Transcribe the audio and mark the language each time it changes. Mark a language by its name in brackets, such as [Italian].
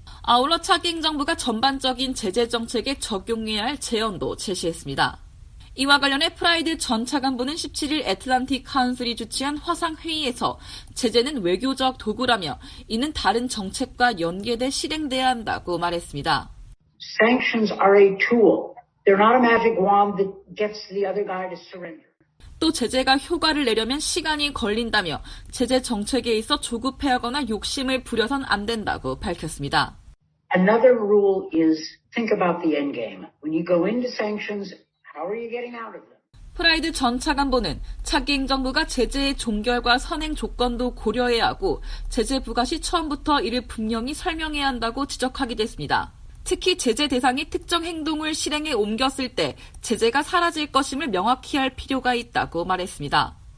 [Korean] 아울러 차기 행정부가 전반적인 제재 정책에 적용해야 할 제언도 제시했습니다. 이와 관련해 프라이드 전 차관보는 17일 애틀란틱 카운슬이 주최한 화상회의에서 제재는 외교적 도구라며 이는 다른 정책과 연계돼 실행돼야 한다고 말했습니다. [English] Sanctions are a tool. They're not a magic wand that gets the other guy to surrender. [Korean] 또 제재가 효과를 내려면 시간이 걸린다며 제재 정책에 있어 조급해하거나 욕심을 부려선 안 된다고 밝혔습니다. [English] Another rule is think about the end game. When you go into sanctions, how are you getting out of them? [Korean] 프라이드 전 차관보는 차기 행정부가 제재의 종결과 선행 조건도 고려해야 하고 제재 부과 시 처음부터 이를 분명히 설명해야 한다고 지적하기도 했습니다. 특히 제재 대상이 특정 행동을 실행에 옮겼을 때 제재가 사라질 것임을 명확히 할 필요가 있다고 말했습니다.